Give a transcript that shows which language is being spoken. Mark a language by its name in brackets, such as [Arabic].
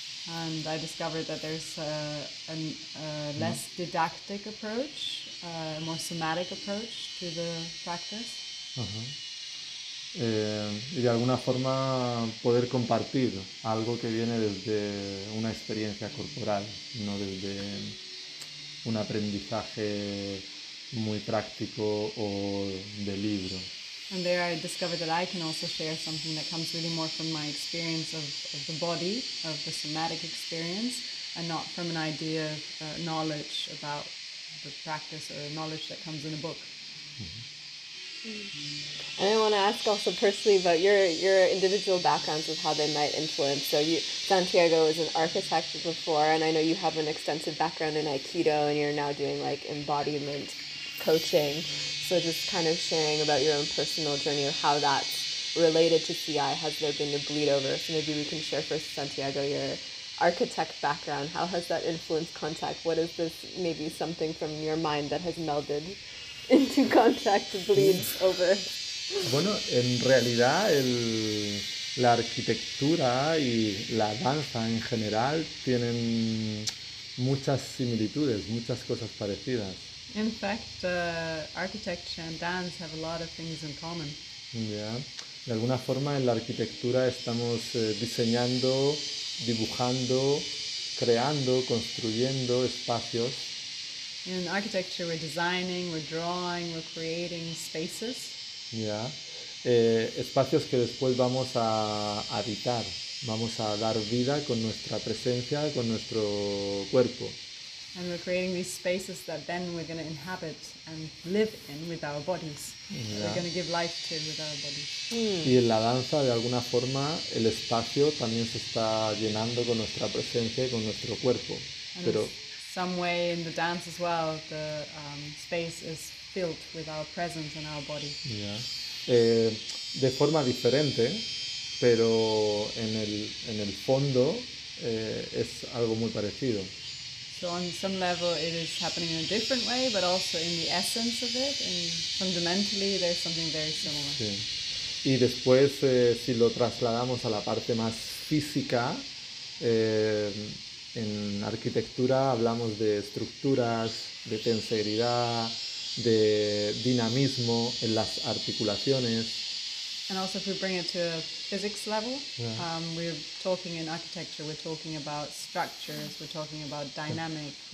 [English] And I discovered that there's a less didactic approach, a more somatic approach to the practice. [Spanish] Y de alguna forma poder compartir algo que viene desde una experiencia corporal, no desde un aprendizaje muy práctico o de libro. [English] And there I discovered that I can also share something that comes really more from my experience of the body, of the somatic experience, and not from an idea of knowledge about the practice or knowledge that comes in a book. And I want to ask also personally about your individual backgrounds of how they might influence. So you, Santiago is an architect before, and I know you have an extensive background in Aikido, and you're now doing like embodiment coaching. So just kind of sharing about your own personal journey of how that's related to CI. Has there been a bleed over? So maybe we can share first, Santiago, your architect background. How has that influenced contact? What is this maybe something from your mind that has melded into contact bleeds over? [Spanish] Bueno, en realidad la arquitectura y la danza en general tienen muchas similitudes, muchas cosas parecidas. [English] In fact, architecture and dance have a lot of things in common. [Spanish] ¿Ya? De alguna forma en la arquitectura estamos diseñando, dibujando, creando, construyendo espacios. [English] In architecture, we're designing, we're drawing, we're creating spaces. [Spanish] Ya, espacios que después vamos a habitar, vamos a dar vida con nuestra presencia, con nuestro cuerpo. [English] And we're creating these spaces that then we're going to inhabit and live in with our bodies, that we're [Spanish] Ya. [English] going to give life to with our bodies. [Spanish] Y en la danza, de alguna forma, el espacio también se está llenando con nuestra presencia y con nuestro cuerpo, [English] And in [Spanish] pero [English] some way in the dance as well, the space is filled with our presence and our body. [Spanish] De forma diferente, pero en el fondo es algo muy parecido. [English] So on some level it is happening in a different way, but also in the essence of it, and fundamentally there's something very similar. [Spanish] Sí. Y después, si lo trasladamos a la parte más física, en arquitectura hablamos de estructuras, de tensegridad, de dinamismo en las articulaciones. [English] And also if we bring it to a physics level, we're talking in architecture, we're talking about structures, we're talking about dynamic,